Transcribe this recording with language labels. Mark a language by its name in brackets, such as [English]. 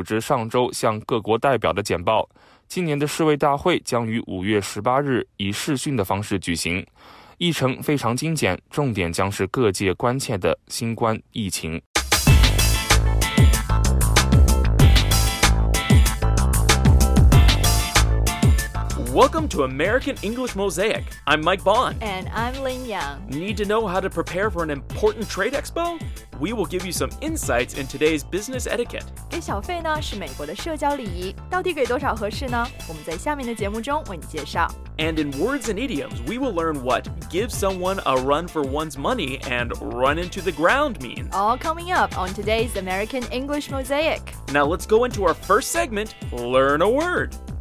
[Chinese] 台湾外交部国际组织司司长陈龙锦星期一在立法院接受质询时指出，台湾今年获邀出席世界卫生大会的可能性不高，但是会继续努力到最后一刻。陈龙锦司长还谈到，根据世卫组织上周向各国代表的简报， 今年的世卫大会将于5月18日以视讯的方式举行，议程非常精简，重点将是各界关切的新冠疫情。 [English] Welcome to American English Mosaic. I'm Mike Bond. And I'm Lin Yang. Need to know how to prepare for an important trade expo? We will give you some insights in today's business etiquette. [Chinese] 给小费呢，是美国的社交礼仪，到底给多少合适呢？我们在下面的节目中为你介绍。 [English] And in words and idioms, we will learn what give someone a run for one's money and run into the ground means. All coming up on today's American English Mosaic. Now let's go into our first segment, Learn a Word.